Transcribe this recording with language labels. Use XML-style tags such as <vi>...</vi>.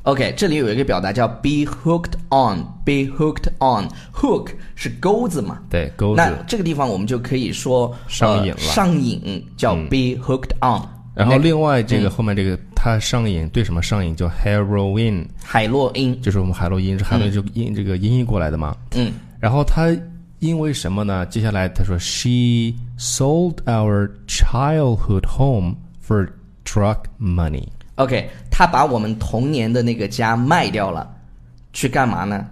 <zh>OK， 这里有一个表达叫</zh> <en>be hooked on。</en> <zh>be hooked on， hook 是钩子嘛，对，钩子。那这个地方我们就可以说上瘾了，上瘾叫</zh> <en>be hooked on。</en> <zh>然后另外这个后面这个他上瘾，对什么上瘾？叫 heroin，海洛因，就是我们海洛因，海洛因就因这个音译过来的嘛。然后他因为什么呢？接下来他说</zh> <en>she sold our childhood home for drug money。</en> <zh>OK， 他把我们童年的那个家卖掉了，去干嘛呢？</zh>